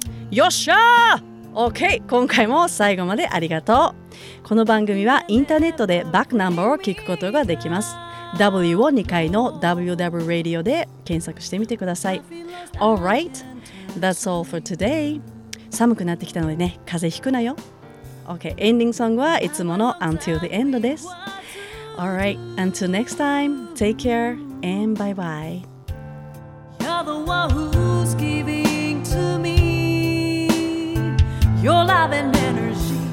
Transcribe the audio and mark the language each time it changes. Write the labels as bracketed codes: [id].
[ja] よっしゃー、OK、 今回も最後までありがとう。この番組はインターネットでバックナンバーを聞くことができます。 W を2回の WW Radio で検索してみてください。 [en] Alright, that's all for today. [ja] 寒くなってきたのでね、風邪ひくなよ。OK, エンディングソングはいつもの Until the End です。 [en] Alright, until next time, take care and bye bye. You're the one who's giving to me your love and energy.